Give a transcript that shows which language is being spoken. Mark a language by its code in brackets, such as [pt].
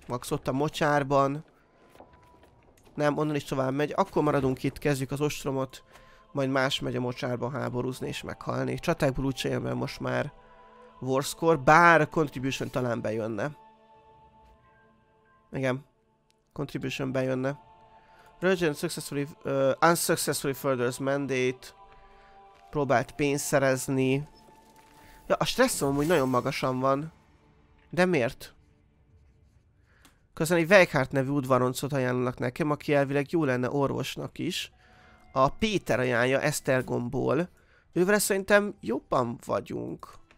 [hu] Max ott a mocsárban. Nem, onnan is tovább megy. Akkor maradunk itt, kezdjük az ostromot. Majd más megy a mocsárba háborúzni és meghalni. Csatákból úgy sem jön be most már Warscore, bár Contribution talán bejönne. Igen. Contribution bejönne. [en] Regent successfully, unsuccessfully furthers mandate. [hu] Próbált pénzt szerezni. Ja, a stresszom amúgy nagyon magasan van. De miért? Közben egy Weichart nevű udvaroncot ajánlanak nekem, aki elvileg jó lenne orvosnak is. A Péter ajánlja Esztergomból. Ővel szerintem jobban vagyunk.